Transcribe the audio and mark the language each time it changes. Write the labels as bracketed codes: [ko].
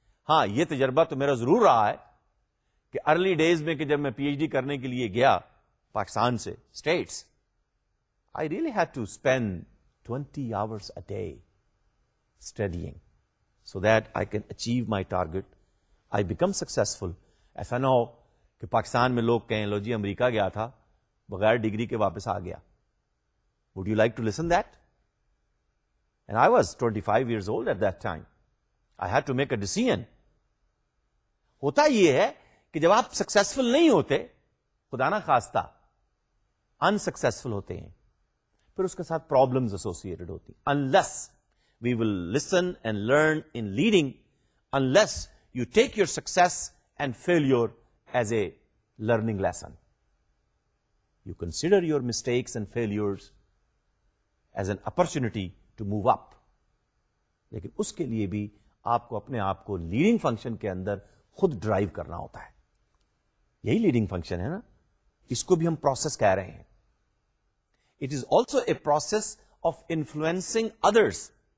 [ur] ہاں یہ تجربہ تو میرا ضرور رہا ہے کہ ارلی ڈیز میں, کہ جب میں پی ایچ ڈی کرنے کے لیے گیا پاکستان سے status, [en] I really had to spend 20 hours a day studying so that I can achieve my target, I become successful. [ur] ایسا نہ ہو کہ پاکستان میں لوگ کہیں لو جی امریکہ گیا تھا بغیر ڈگری کے واپس آ گیا. [en] Would you like to listen that? And I was 25 years old at that time. I had to make a decision. [ur] ہوتا یہ ہے کہ جب آپ سکسیسفل نہیں ہوتے, خدا نہ خواستہ انسکسیسفل ہوتے ہیں, پھر اس کے ساتھ پرابلمز ایسوسیٹڈ ہوتی. [en] Unless we will listen and learn in leading, unless you take your success and failure as a learning lesson. You consider your mistakes and failures as an opportunity to move up. [ur] لیکن اس کے لیے بھی آپ کو اپنے آپ کو leading function کے اندر خود ڈرائیو کرنا ہوتا ہے. یہی لیڈنگ فنکشن ہے نا, اس کو بھی ہم پروسیس کہہ رہے ہیں. [en] It is also a process of influencing others.